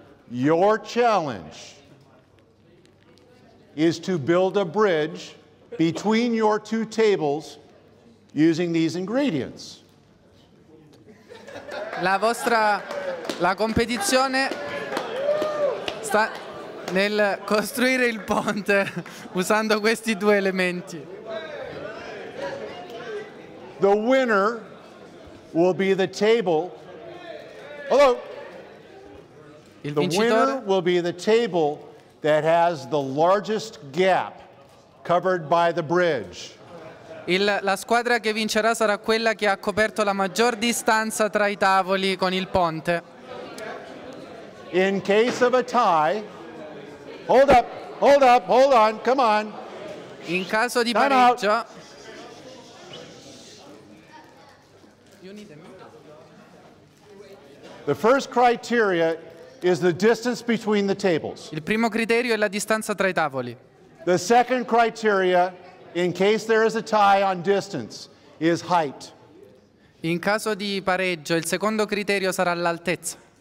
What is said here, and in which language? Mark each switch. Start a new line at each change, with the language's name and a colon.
English: Your challenge is to build a bridge between your two tables using these ingredients.
Italian: La competizione sta nel costruire il ponte usando questi due elementi.
English: The winner will be the table. Hello. The winner will be the table that has the largest gap covered by the bridge.
Italian: La squadra che vincerà sarà quella che ha coperto la maggior distanza tra I tavoli con il ponte.
English: In case of a tie, hold up, hold up, hold on, come on.
Italian: In caso di pareggio.
English: The first criteria is the distance between the tables.
Italian: Il primo criterio è la distanza tra I tavoli.
English: The second criteria, in case there is a tie on distance, is height.
Italian: In caso di pareggio, il secondo criterio sarà l'altezza.